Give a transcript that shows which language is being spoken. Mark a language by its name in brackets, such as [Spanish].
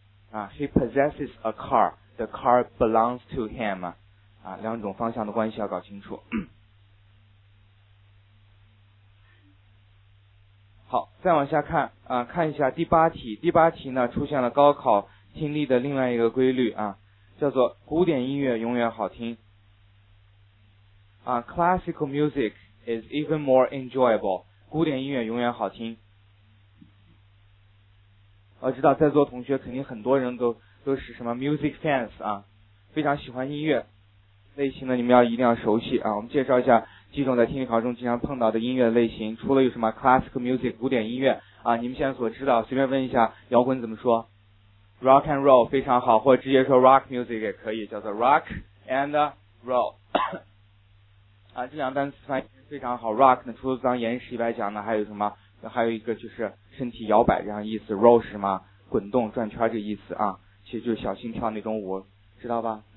[English] 啊 ，He possesses a car. The car belongs to him. 啊， [Chinese] 两种方向的关系要搞清楚。好，再往下看啊，看一下第八题。第八题呢，出现了高考听力的另外一个规律啊，叫做古典音乐永远好听。 [English] 啊 ，Classical music is even more enjoyable. [Chinese] 古典音乐永远好听。我知道在座同学肯定很多人都是什么 music fans 啊，非常喜欢音乐类型的，你们要一定要熟悉啊。我们介绍一下几种在听力考中经常碰到的音乐类型，除了有什么 classical music 古典音乐啊，你们现在所知道随便问一下摇滚怎么说 rock and roll 非常好，或者直接说 rock music 也可以，叫做 rock and roll。啊，这两个单词翻译非常好。rock 呢，除了当岩石以外讲呢，还有什么？还有一个就是身体摇摆这样意思。 roll 是什么？滚动、转圈这个意思啊，其实就是小心跳那种舞，知道吧？